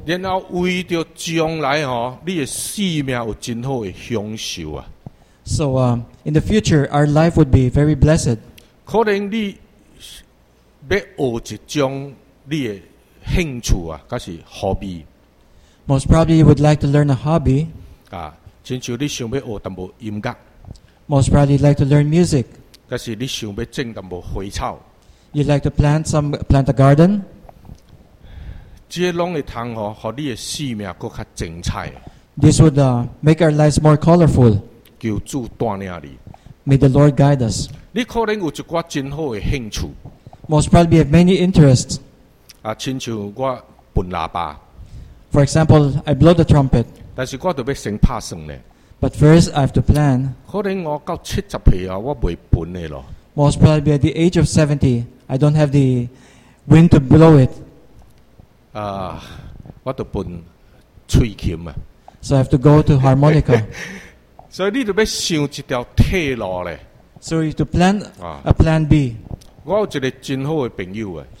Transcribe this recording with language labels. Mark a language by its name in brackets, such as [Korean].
[Min Nan Chinese] 然后为着将来哦，你的生命有真好的享受啊。 [English] So, in the future, our life would be very blessed. [Min Nan Chinese] 可能你要学一种你的兴趣啊，还是 hobby. [English] Most probably, you would like to learn a hobby. [Min Nan Chinese] 啊，亲像你想要学淡薄音乐。 [English] Most probably, you'd like to learn music. [Min Nan Chinese] 还是你想要种淡薄花草。 [English] You'd like to plant a garden. [Min Nan Chinese] 这拢会通吼，和你的生命搁较精彩。 [English] This would make our lives more colorful. [Min Nan Chinese] 求主带领你。 [English] May the Lord guide us. [Min Nan Chinese] 你可能有一挂真好的兴趣。 [English] Most probably have many interests. [Min Nan Chinese] 啊，亲像我吹喇叭。 [English] For example, I blow the trumpet. [Min Nan Chinese] 但是我得要先拍算咧。 [English] But first, I have to plan. [Min Nan Chinese] 可能我到七十岁啊，我袂吹咧咯。 [English] Most probably at the age of 70, I don't have the wind to blow it. [Min Nan Chinese] 我得分吹琴啊。 [English] So I have to go to harmonica. [Min Nan Chinese] 所以你就要想一条退路咧。 [English] So you have to plan a plan B. [Min Nan Chinese] 我有一个真好的朋友啊。